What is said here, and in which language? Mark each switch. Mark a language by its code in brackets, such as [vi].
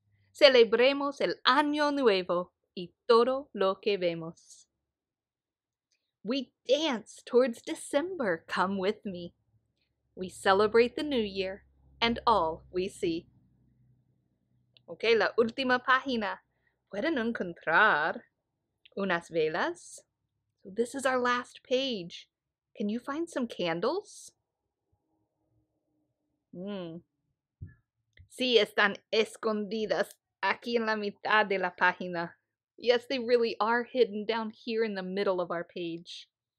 [es] Celebremos el año nuevo y todo lo que vemos. [en] We dance towards December. Come with me. We celebrate the new year and all we see. [es] Ok, la última página. ¿Pueden encontrar unas velas? [en] So this is our last page. Can you find some candles? [es] Sí, están escondidas aquí en la mitad de la página. [en] Yes, they really are hidden down here in the middle of our page.